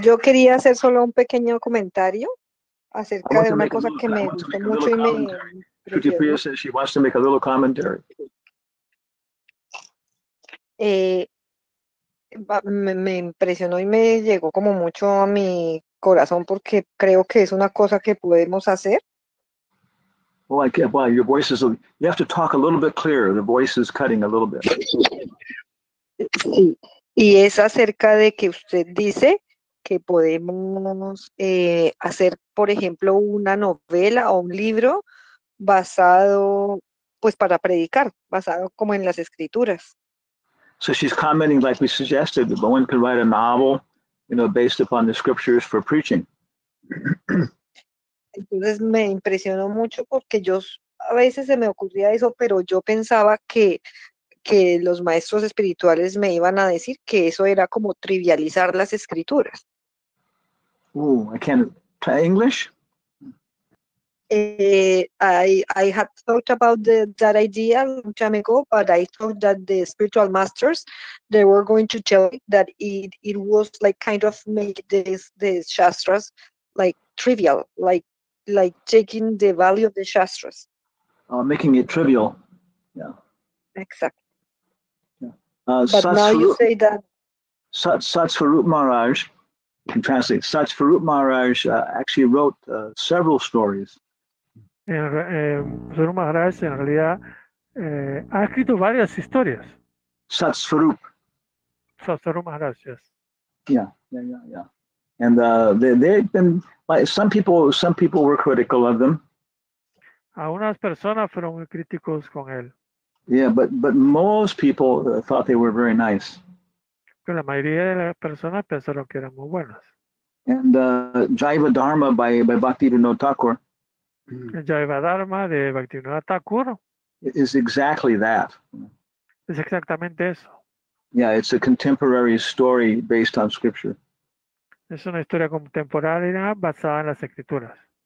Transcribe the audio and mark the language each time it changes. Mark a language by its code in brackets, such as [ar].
[es] Yo quería hacer solo un pequeño comentario acerca de una cosa que me gustó mucho y me... [en] Priya says she wants to make a little commentary. [es] Me impresionó y me llegó como mucho a mi corazón porque creo que es una cosa que podemos hacer. [en] Well, your voice is, you have to talk a little bit clearer. The voice is cutting a little bit. [es] Sí. Y es acerca de que usted dice que podemos hacer, por ejemplo, una novela o un libro basado, pues para predicar, basado como en las escrituras. [en] So she's commenting like we suggested, that one can write a novel, you know, based upon the scriptures for preaching. [es] Entonces me impresionó mucho porque yo a veces se me ocurría eso, pero yo pensaba que los maestros espirituales me iban a decir que eso era como trivializar las escrituras. [en] I can't try English. I had thought about that idea a long time ago, but I thought that the spiritual masters, they were going to tell me that it was like kind of make the shastras like trivial, like taking the value of the shastras. Making it trivial. Yeah. Exactly. Yeah. Satsvarup Maharaj, you can translate, Satsvarup Maharaj actually wrote several stories. [es] Sadhguru Maharaj en realidad ha escrito varias historias. [en] Satsvarup. Satsvarup Maharaj, yes. Yeah. And they've been, some people were critical of them. [es] Algunas personas fueron críticos con él. [en] Yeah, but most people thought they were very nice. [es] Pero la mayoría de las personas pensaron que eran muy buenas. [en] And Jaiva Dharma by Bhaktivinoda Thakur. [es] Jaiva Dharma de Bhaktivinoda Thakur. [en] Is exactly that. [es] Es exactamente eso. [en] Yeah, it's a contemporary story based on scripture. [es] Es una historia contemporánea basada en las escrituras.